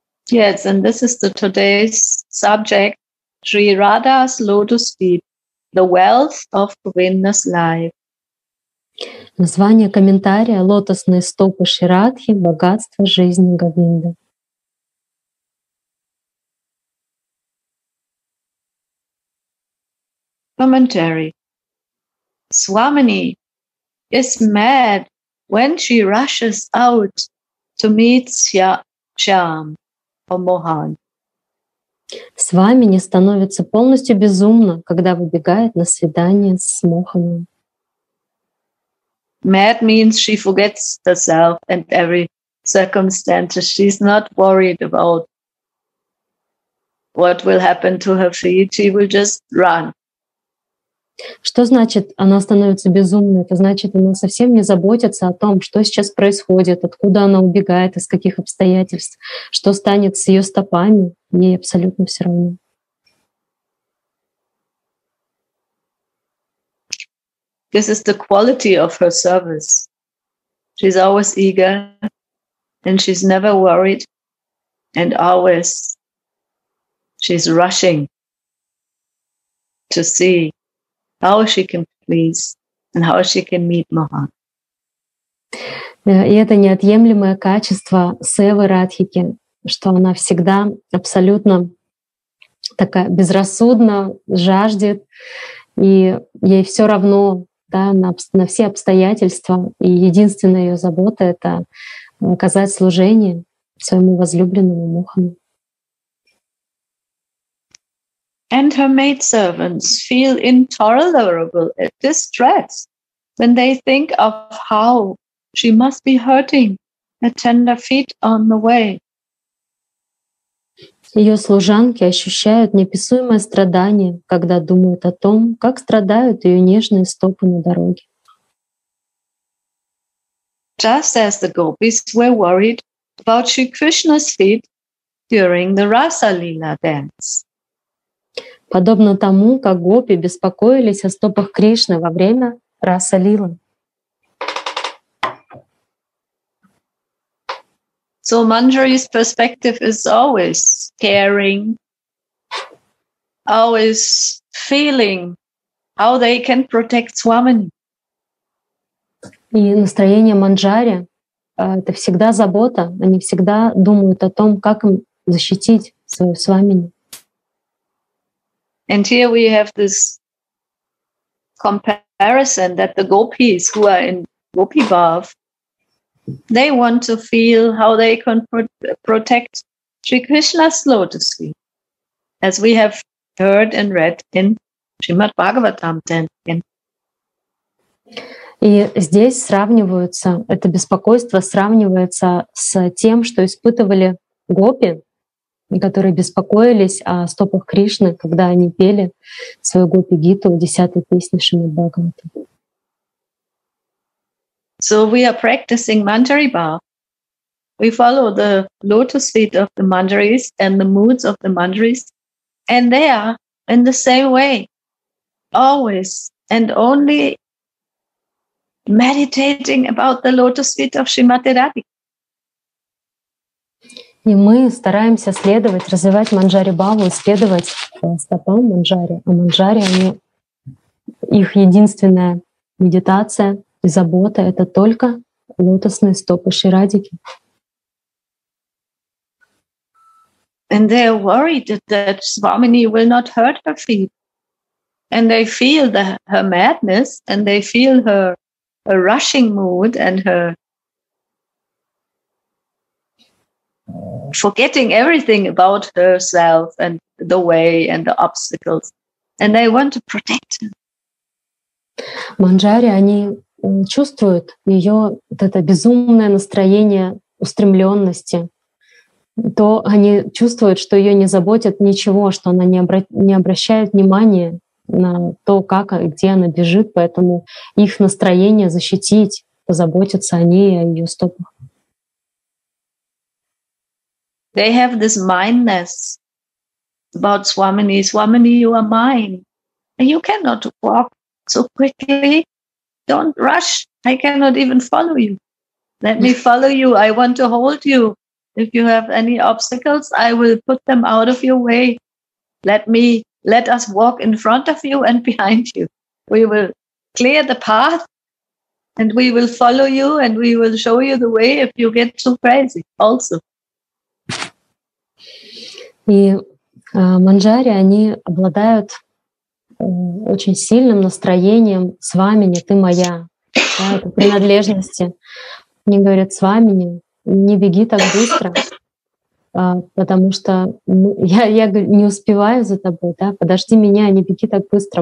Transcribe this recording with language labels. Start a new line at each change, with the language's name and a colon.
English: Yes, and this is the today's subject, Sri Radha's Lotus Feet, the wealth of Govinda's life.
Russian: Название комментария — лотосные стопы Шри Радхи, богатство жизни Говинды.
English: Commentary. Swamini is mad when she rushes out to meet Shyam or Mohan.
Russian: Swamini становится полностью безумно, когда выбегает на свидание с Моханом.
English: Mad means she forgets herself and every circumstance. She's not worried about what will happen to her feet. She will just run.
Russian: Что значит, она становится безумной? Это значит, она совсем не заботится о том, что сейчас происходит, откуда она убегает, из каких обстоятельств, что станет с ее стопами, ей абсолютно все равно.
English: This is the quality of her service. She's always eager, and she's never worried, and always she's rushing to see how she can please and how she can meet Mohan.
Russian: И это неотъемлемое качество севы Радхики, что она всегда абсолютно такая безрассудно жаждет, и ей все равно, да, на все обстоятельства, и единственная ее забота — это оказать служение своему возлюбленному Мохану.
English: And her maidservants feel intolerable distress when they think of how she must be hurting the tender feet on the way.
Russian: Ее служанки ощущают неописуемое страдание, когда думают о том, как страдают ее нежные стопы на дороге.
English: Just as the gopis were worried about Sri Krishna's feet during the Rasa Lila dance.
Russian: подобно тому, как гопи беспокоились о стопах Кришны во время раса-лилы.
English: So Manjari's perspective is always caring, always feeling how they can protect Swamini.
Russian: И настроение Манджари это всегда забота. Они всегда думают о том, как им защитить свою Свамини.
English: And here we have this comparison that the gopis who are in Gopi Bhav, they want to feel how they can protect Sri Krishna's lotus feet, as we have heard and read in Srimad Bhagavatam 10.
Russian: И здесь сравниваются, это беспокойство сравнивается с тем, что испытывали гопи, которые беспокоились о стопах Кришны, когда они пели свою гопи-гиту в 10-й песне Шримад Бхагаватам.
English: So we are practicing Manjari Bhav. We follow the lotus feet of the Manjaris and the moods of the Manjaris, and they are in the same way, always and only meditating about the lotus feet of Shrimati Radhika.
Russian: И мы стараемся следовать, развивать Манджари Бхаву, следовать стопам Манджари. А Манджари, они, их единственная медитация и забота — это только лотосные стопы Шри Радики.
English: And they are worried that Swamini will not hurt her feet. And they feel the, her madness, and they feel her, her rushing mood and her forgetting everything about herself and the way and the obstacles, and they want to protect her.
Russian: Манджари, они чувствуют ее вот это безумное настроение устремленности. То они чувствуют, что ее не заботят ничего, что она не обращает внимания на то, как и где она бежит, поэтому их настроение защитить, позаботиться о ней и о ее стопах.
English: They have this mindness about Swamini. Swamini, you are mine. And you cannot walk so quickly. Don't rush. I cannot even follow you. Let me follow you. I want to hold you. If you have any obstacles, I will put them out of your way. Let us walk in front of you and behind you. We will clear the path and we will follow you and we will show you the way if you get too crazy also.
Russian: И Манджари, они обладают очень сильным настроением Свамини, ты моя, да, принадлежности. Они говорят: Свамини, не беги так быстро, потому что я не успеваю за тобой, да, подожди меня, не беги так быстро.